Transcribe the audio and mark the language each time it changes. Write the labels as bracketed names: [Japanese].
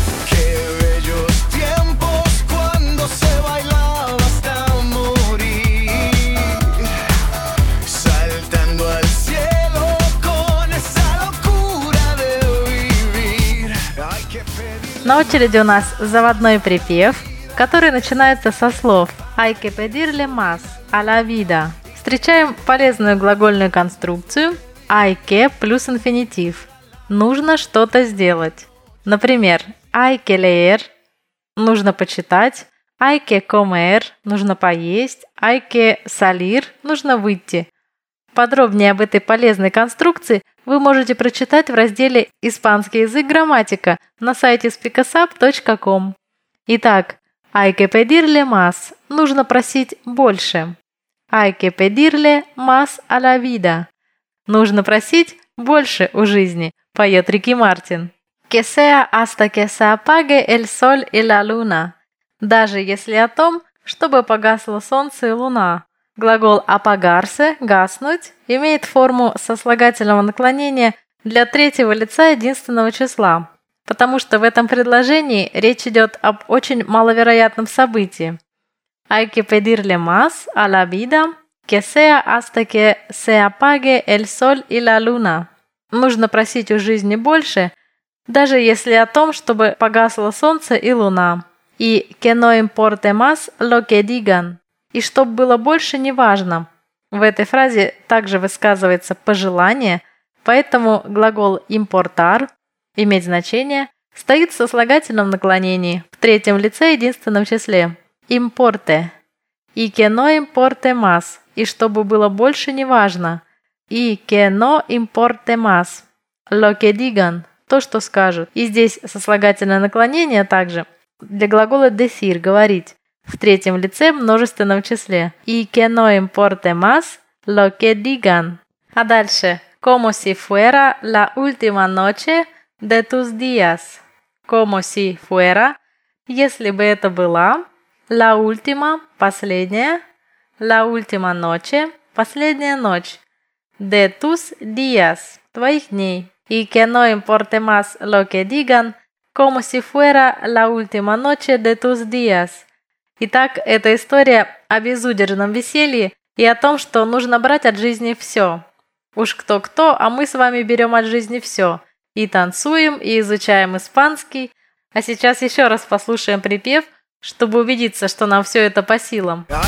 [Spanish] Qué bellos tiempos cuando se bailaba hasta morir. Saltando al cielo con esa locura de vivir. Hay que pedir. [Russian] На очереди у нас заводной припев, который начинается со слов [Spanish] «Hay que pedirle más a la vida». [Russian] Встречаем полезную глагольную конструкцию «Hay que» плюс инфинитив. Нужно что-то сделать. Например, [Spanish] «Hay que leer» [Russian] – нужно почитать, [Spanish] «Hay que comer» [Russian] – нужно поесть, [Spanish] «Hay que salir» [Russian] – нужно выйти. Подробнее об этой полезной конструкции вы можете прочитать в разделе «Испанский язык. Грамматика» на сайте speakasap.com. Итак, [Spanish] «Hay que pedirle más» [Russian] – нужно просить больше. [Spanish] «Hay que pedirle más a la vida» [Russian] – нужно просить больше у жизни, поет Рики Мартин. [Spanish] «Que sea hasta que se apague el sol y la luna» – [Russian] даже если о том, чтобы погасло солнце и луна. Глагол «apagarse» – «гаснуть» – имеет форму сослагательного наклонения для третьего лица единственного числа. Потому что в этом предложении речь идет об очень маловероятном событии. [Spanish] «Hay que pedirle más a la vida, que sea hasta que se apague el sol y la luna». [Russian] Нужно просить у жизни больше, даже если о том, чтобы погасло солнце и луна. И [Spanish] «que no importe más [Russian] lo que digan» – «и чтоб было больше неважно». В этой фразе также высказывается пожелание, поэтому глагол «importar» «иметь значение» стоит в сослагательном наклонении в третьем лице единственном числе «importe» и [Spanish] «que no importe más» [Russian] «и чтобы было больше неважно» и «que no importe más» [Spanish] «lo que digan» [Russian] «то, что скажут». И здесь сослагательное наклонение также для глагола «decir» «говорить» в третьем лице множественном числе [Spanish] «y que no importe más» «lo que digan». А дальше «como si fuera la última noche» «De tus días», «como si fuera», [Russian] «если бы это была», [Spanish] «la última», «последняя», «la última noche», [Russian] «последняя ночь», [Spanish] «de tus días», [Russian] «твоих дней», [Spanish] «y que no importe más lo que digan», «como si fuera la última noche de tus días». [Russian] Итак, это история о безудержном веселье и о том, что нужно брать от жизни все. Уж кто-кто, а мы с вами берем от жизни все. И танцуем, и изучаем испанский. А сейчас еще раз послушаем припев, чтобы убедиться, что нам все это по силам.